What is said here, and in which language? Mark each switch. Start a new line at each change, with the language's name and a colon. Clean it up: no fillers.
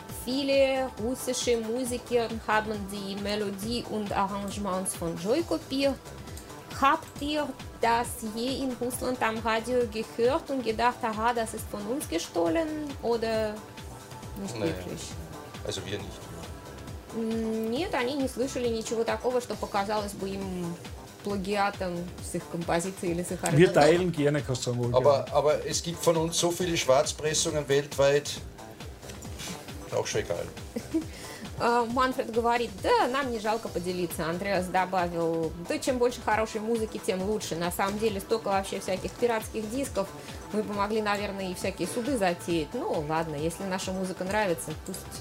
German: Viele russische Musiker haben die Melodie und Arrangements von Joy kopiert. Habt ihr das je in Russland am Radio gehört und gedacht, aha, das ist von uns gestohlen oder nicht wirklich? Nee. Also wir nicht.
Russian: Нет, они не слышали ничего такого, что показалось бы им плагиатом с их композицией или с их аранжировкой.
German: Aber es gibt von uns so viele Schwarzpressungen weltweit. Auch schon egal.
Russian: Манфред говорит, да, нам не жалко поделиться. Андреас добавил, да, чем больше хорошей музыки, тем лучше. На самом деле, столько вообще всяких пиратских дисков, мы бы могли, наверное, и всякие суды затеять. Ну, ладно, если наша музыка нравится, пусть...